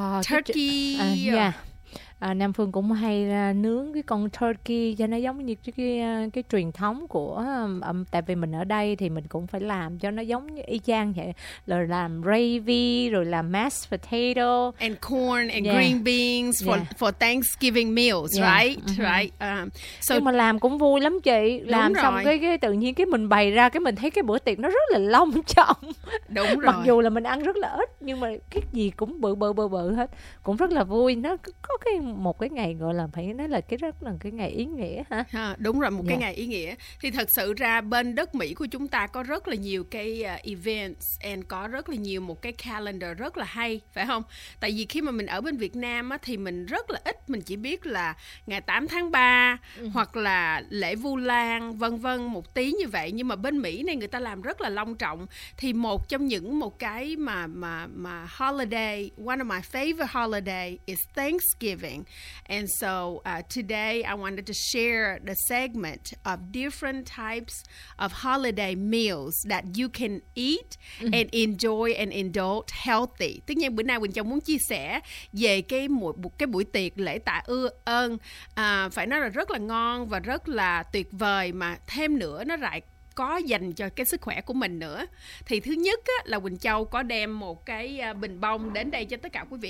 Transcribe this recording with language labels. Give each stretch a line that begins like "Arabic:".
English: Turkey.
Vietnamese: Nam Phương cũng hay nướng cái con turkey cho nó giống như cái truyền thống của tại vì mình ở đây thì mình cũng phải làm cho nó giống như y chang vậy, rồi làm gravy, rồi làm mashed potato
English: and corn and green beans for Thanksgiving meals, right.
Vietnamese: So, nhưng mà làm cũng vui lắm chị, làm xong cái tự nhiên cái mình bày ra cái mình thấy cái bữa tiệc nó rất là long trọng. Đúng rồi. Mặc dù là mình ăn rất là ít nhưng mà cái gì cũng bự hết, cũng rất là vui. Nó có cái một cái ngày gọi là phải nói là cái rất là cái ngày ý nghĩa ha. Đúng rồi, một cái ngày ý nghĩa. Thì thật sự ra bên đất Mỹ của chúng ta có rất là nhiều cái events and có rất là nhiều một cái calendar rất là hay, phải không? Tại vì khi mà mình ở bên Việt Nam á, thì mình rất là ít, mình chỉ biết là ngày 8 tháng 3 hoặc là lễ Vu Lan vân vân một tí như vậy, nhưng mà bên Mỹ này người ta làm rất là long trọng. Thì một trong những một cái mà holiday,
English: one of my favorite holiday is Thanksgiving. And so today I wanted to share the segment of different types of holiday meals that you can eat and enjoy and indulge healthy.
Vietnamese: Tất nhiên bữa nay Quỳnh Châu muốn chia sẻ về cái buổi tiệc lễ tạ ơn, phải nói là rất là ngon và rất là tuyệt vời, mà thêm nữa nó lại có dành cho cái sức khỏe của mình nữa. Thì thứ nhất á, là Quỳnh Châu có đem một cái bình bông đến đây cho tất cả quý vị.